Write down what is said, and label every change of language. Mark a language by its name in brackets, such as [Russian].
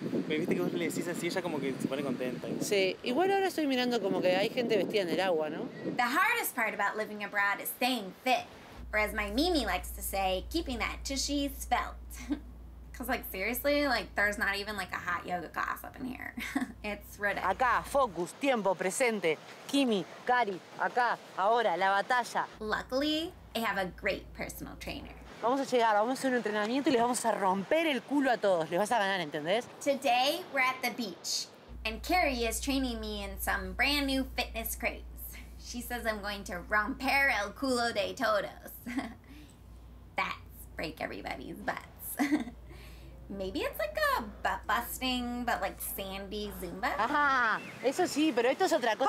[Spanish] Me viste que vos le decís así, ella como que se pone contenta. Sí, igual ahora estoy mirando como que hay gente vestida en el agua, ¿no? [English] The hardest part about living abroad is staying fit. Or as my Mimi likes to say, keeping that tushy svelte. Cause like seriously, like there's not even like a hot yoga class up in here. It's ridiculous. [Spanish] Acá, focus, tiempo, presente. Kimmy, Kari, acá, ahora, la batalla. [English] Luckily, I have a great personal trainer. [Spanish] Vamos a llegar, vamos a hacer un entrenamiento y les vamos a romper el culo a todos. Les vas a ganar, ¿entendés? [English] Today, we're at the beach. And Kari is training me in some brand new fitness crates. She says I'm going to [Spanish] romper el culo de todos. [English] That's break everybody's butts. Maybe it's like a butt busting, but like sandy Zumba. [Spanish] Ajá, eso sí, pero esto es otra cosa.